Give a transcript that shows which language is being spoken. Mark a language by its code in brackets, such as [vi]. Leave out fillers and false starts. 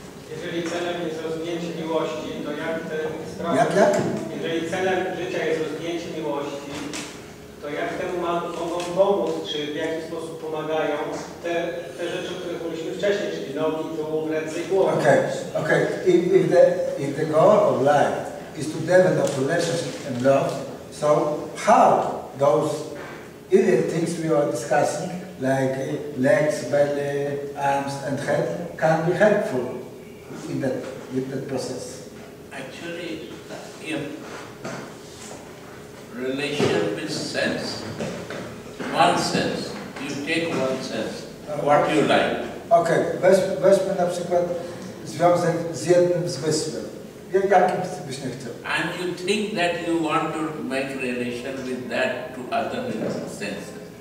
[pl] Jeżeli celem jest rozwinięcie miłości, to jak te sprawy... Jak? Jeżeli celem życia jest rozwinięcie miłości, to jak temu mogą pomóc, czy w jaki sposób pomagają te rzeczy, które mówiliśmy wcześniej, czyli nogi, tułów, ręce i głowy. Okej. [en] If the goal of life is to develop relationship and love, so how those either things we are discussing, like legs, belly, arms and head, can be helpful in that, with that process? Actually, in relation with sense, one sense, you take one sense, what you like. [pl] Okay, weźmy na przykład związek z jednym zmysłem. Jakim byś nie chciał? [en] And you think that you want to make relation with that to other senses.